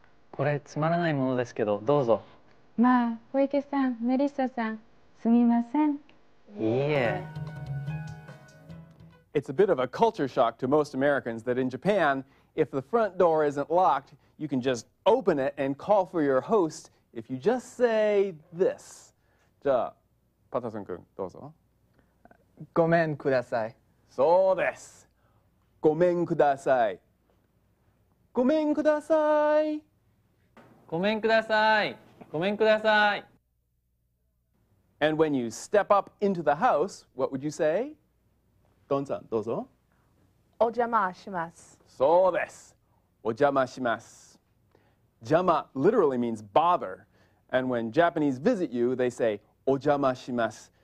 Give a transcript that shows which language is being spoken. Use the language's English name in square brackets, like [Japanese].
[Japanese] これつまらないものですけど、どうぞ。まあ、小池さん、メリッサさん、すみません。いいえ。 [English] It's a bit of a culture shock to most Americans that in Japan, if the front door isn't locked, you can just open it and call for your host if you just say this. [Japanese] じゃあ、パタソン君、どうぞ。ごめんください。そうです。ごめんください。ごめんください。ごめんください。ごめんください。 [English] And when you step up into the house, what would you say? [Japanese] Don-san, dozo. お邪魔します. So desu. お邪魔します. [English] Jama literally means bother. And when Japanese visit you, they say [Japanese] お邪魔します.